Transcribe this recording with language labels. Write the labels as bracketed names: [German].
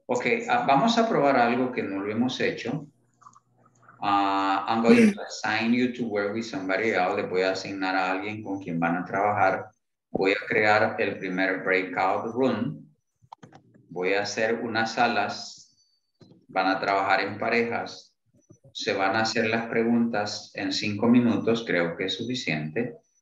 [Spanish] Ok, vamos a probar algo que no lo hemos hecho. [English] I'm going to assign you to work with somebody else. [Spanish] Le voy a asignar a alguien con quien van a trabajar. Voy a crear el primer breakout room. Voy a hacer unas salas. Van a trabajar en parejas. Se van a hacer las preguntas en 5 minutos. Creo que es suficiente.